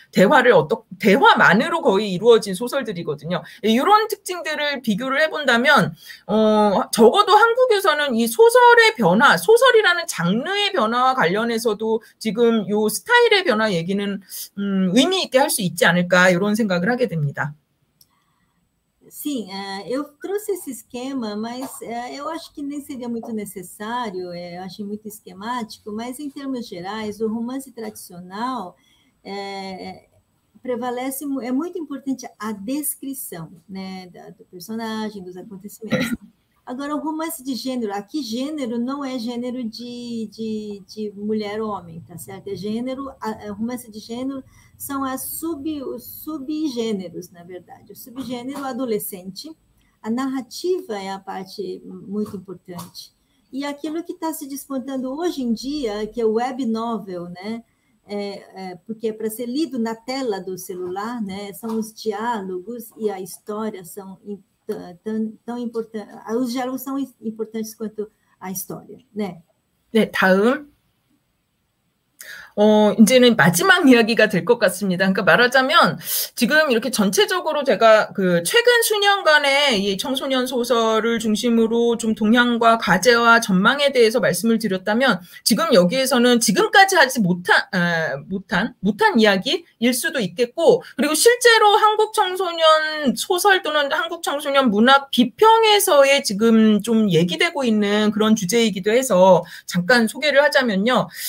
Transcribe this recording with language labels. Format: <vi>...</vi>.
<ko>대화만으로 거의 이루어진 소설들이거든요. 이런 특징들을 비교를 해본다면 적어도 한국에서는 이 소설의 변화, 소설이라는 장르의 변화와 관련해서도 지금 이 스타일의 변화 얘기는 의미 있게 할 수 있지 않을까 이런 생각을 하게 됩니다.</ko> <pt>Sim, eu trouxe esse esquema, mas eu acho que nem seria muito necessário, eu achei muito esquemático, mas em termos gerais, o romance tradicional prevalece, é muito importante a descrição, né, do personagem, dos acontecimentos. Agora, o romance de gênero, aqui gênero não é gênero de mulher ou homem, tá certo? É gênero, romance de gênero são os subgêneros, na verdade. O subgênero adolescente, a narrativa é a parte muito importante. E aquilo que está se despontando hoje em dia, que é o web novel, né? Porque é para ser lido na tela do celular, né? São os diálogos e a história são tão importantes. Os diálogos são importantes quanto a história, né?</pt> <ko>네, 다음. 이제는 마지막 이야기가 될것 같습니다. 그러니까 말하자면, 지금 이렇게 전체적으로 제가 최근 수년간의 이 청소년 소설을 중심으로 좀 동향과 과제와 전망에 대해서 말씀을 드렸다면, 지금 여기에서는 지금까지 하지 못한 이야기일 수도 있겠고, 그리고 실제로 한국 청소년 소설 또는 한국 청소년 문학 비평에서의 지금 좀 얘기되고 있는 그런 주제이기도 해서, 잠깐 소개를 하자면요.</ko>